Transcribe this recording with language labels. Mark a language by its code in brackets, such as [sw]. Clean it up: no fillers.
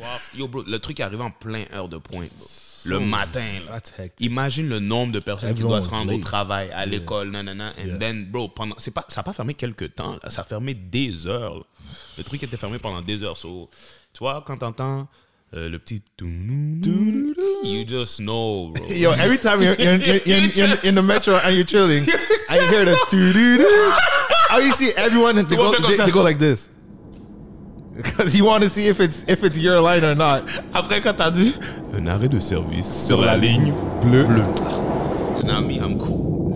[fr] Wow. Yo, bro, le truc arrive en plein heure de pointe, bro. Le matin. Imagine le nombre de personnes qui doivent se rendre au travail, à l'école, nanana. [en] And then, bro, [fr] pendant, c'est pas, ça n'a pas fermé quelques temps, là. Ça a fermé des heures. Là. Le truc était fermé pendant des heures. So, tu vois, quand t'entends le petit... [en] You just know, bro. Yo, every time you're in the metro and you're chilling, and you hear the... How you see everyone, they go like this. Because you want to see if it's your line or not. [fr] Après quand t'as dit un arrêt de service sur la ligne bleue. [en] You know me, I'm cool.